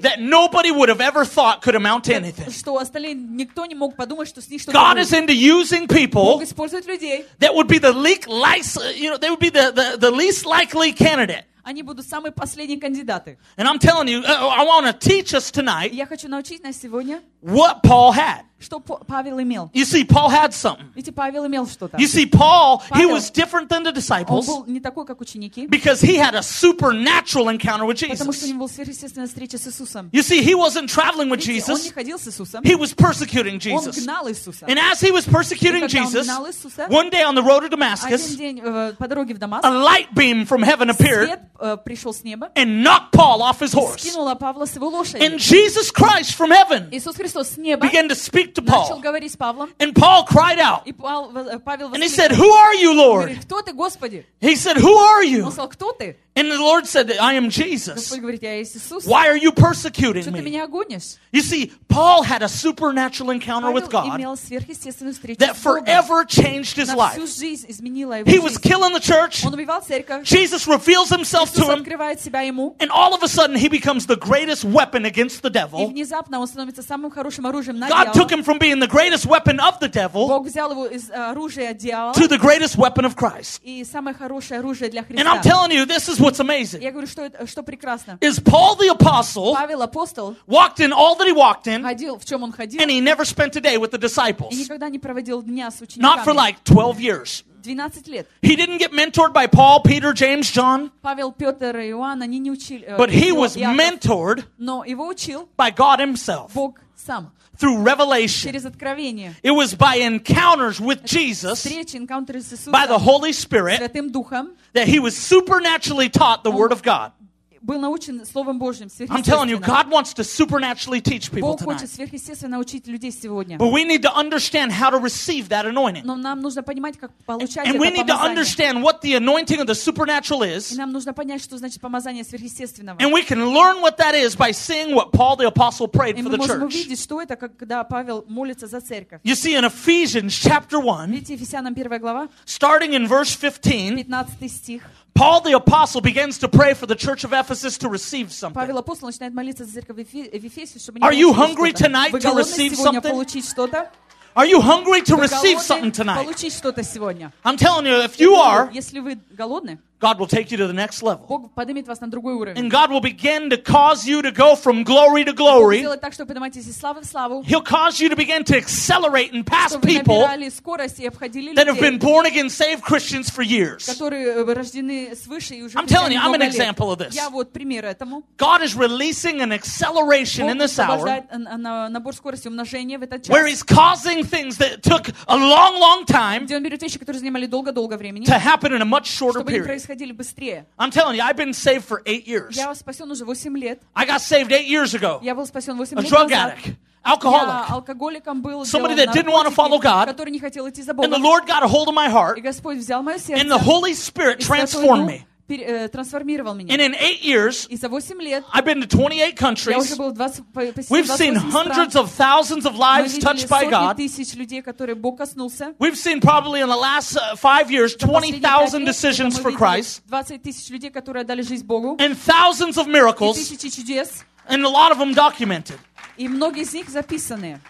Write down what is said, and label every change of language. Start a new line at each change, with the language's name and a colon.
English: that nobody would have ever thought could amount to anything.
Russian: Что остальные никто не мог подумать, что с них что-то.
English: God is into using people,
Russian: Бог использует людей,
English: that would be the least likely, you know, they would be the least likely candidate.
Russian: Они будут самые последние кандидаты.
English: And I'm telling you, I want to teach us tonight.
Russian: Я хочу научить нас сегодня.
English: What Paul had.
Russian: Что Павел имел.
English: You see, Paul had something.
Russian: Видите, Павел имел что-то.
English: You see, Paul, he was different than the disciples.
Russian: Он был не такой, как ученики.
English: Because he had a supernatural encounter with Jesus.
Russian: Потому что у него была сверхъестественная встреча с Иисусом.
English: You see, he wasn't traveling with
Russian: Видите,
English: Jesus.
Russian: Он не ходил с Иисусом.
English: He was persecuting Jesus.
Russian: Он гнал Иисуса.
English: And as he was persecuting Jesus,
Russian: он гнал Иисуса,
English: one day on the road to Damascus,
Russian: один день, по дороге в Дамаск,
English: a light beam from heaven appeared,
Russian: свет, пришел с неба,
English: and knocked Paul off his horse.
Russian: Скинула Павла с его лошади.
English: And Jesus Christ from heaven,
Russian: Иисус Христос с неба,
English: began to speak to Paul.
Russian: Начал говорить с Павлом.
English: And Paul cried out.
Russian: И Павел, воскликнул.
English: And he said, "Who are you, Lord?"
Russian: Говорит, кто ты, Господи?
English: He said, "Who are you?"
Russian: Он сказал, кто ты?
English: And the Lord said, "I am Jesus."
Russian: Господь говорит, я есть Иисус.
English: Why are you persecuting me?
Russian: Что ты меня гонишь?
English: You see, Paul had a supernatural encounter
Russian: Павел
English: with God
Russian: имел сверхъестественную встречу
English: that forever changed his life.
Russian: На всю жизнь изменила его
English: He
Russian: жизнь.
English: Was killing the church.
Russian: Он убивал церковь.
English: Jesus reveals himself
Russian: Иисус
English: to him.
Russian: Открывает себя ему.
English: And all of a sudden, he becomes the greatest weapon against the devil.
Russian: И внезапно он становится самым хорошим оружием на
English: God took him from being the greatest weapon of the devil
Russian: Бог взял его из оружия дьявола
English: to the greatest weapon of Christ.
Russian: И самое хорошее оружие для Христа.
English: And I'm telling you, this is what's amazing.
Russian: Я говорю, что прекрасно.
English: Is Paul the apostle?
Russian: Павел апостол.
English: Walked in all that he walked in.
Russian: Ходил в чём он ходил.
English: And he never spent a day with the disciples.
Russian: И никогда не проводил дня с учениками.
English: Not for like 12 years.
Russian: 12 лет.
English: He didn't get mentored by Paul, Peter, James, John.
Russian: Павел, Пётр и Иоанн, они не учили.
English: But he was mentored
Russian: Но его учил
English: by God himself.
Russian: Бог сам.
English: Through revelation.
Russian: Через откровение.
English: It was by encounters with Jesus.
Russian: Встречи, encounters с Иисусом.
English: By the Holy Spirit.
Russian: Святым Духом.
English: That he was supernaturally taught the word of God.
Russian: Был научен Словом Божьим.
English: I'm telling you, God wants to supernaturally teach people tonight.
Russian: Бог хочет сверхъестественно научить людей сегодня.
English: But we need to understand how to receive that anointing.
Russian: Но нам нужно понимать, как получать это
English: And we need to understand what the anointing of the supernatural is.
Russian: И нам нужно понять, что значит помазание сверхъестественного.
English: And we can learn what that is by seeing what Paul the apostle prayed for the church.
Russian: И мы можем увидеть, что это, когда Павел молится за церковь.
English: You see in Ephesians chapter 1.
Russian: Видите, Ефесянам 1 глава.
English: Starting in verse 15.
Russian: 15 стих.
English: Paul the apostle begins to pray for the church of Ephesus to receive something.
Russian: Павел апостол начинает молиться за церковь в Ефесе, чтобы.
English: Are you hungry tonight to receive something?
Russian: Вы голодны сегодня получить что-то?
English: Are you hungry to receive something tonight?
Russian: Получить что-то сегодня?
English: I'm telling you, if you are,
Russian: если вы голодны,
English: God will take you to the next level.
Russian: Бог поднимет вас на другой уровень.
English: And God will begin to cause you to go from glory to glory.
Russian: Бог сделает так, чтобы подниматься из славы в славу.
English: He'll cause you to begин to accelerate and pass people.
Russian: Чтобы набирали скорость и обходили людей.
English: That have been born again, saved Christians for years.
Russian: Которые рождены свыше и уже.
English: I'm telling you, I'm an example of this.
Russian: Я вот пример этому.
English: God is releasing an acceleration in this hour.
Russian: Бог освобождает набор скорости умножения в этот час.
English: Where He's causing things that took a long, long time.
Russian: Где Он берет вещи, которые занимали долго-долго времени.
English: To happen in a much shorter period. I'm telling you, I've been saved for 8 years.
Russian: Я спасен уже 8 лет.
English: I got saved 8 years ago.
Russian: Я был спасен 8 лет назад.
English: A drug addict. Alcoholic. Somebody that didn't want to follow God. And the Lord got a hold of my heart.
Russian: И Господь взял мое сердце.
English: And the Holy Spirit transformed me.
Russian: Трансформировал меня.
English: And in 8 years,
Russian: и за 8 лет,
English: I've been to 28 countries.
Russian: Я уже был 28
English: We've seen hundreds
Russian: стран.
English: Of thousands of lives touched by God.
Russian: Мы видели сотни тысяч людей, которые Бог коснулся.
English: We've seen probably in the last 5 years 20,000 decisions for Christ.
Russian: 20 тысяч людей, которые отдали жизнь Богу.
English: And thousands of miracles.
Russian: И тысячи чудес.
English: And a lot of them documented.
Russian: И многие из них записаны.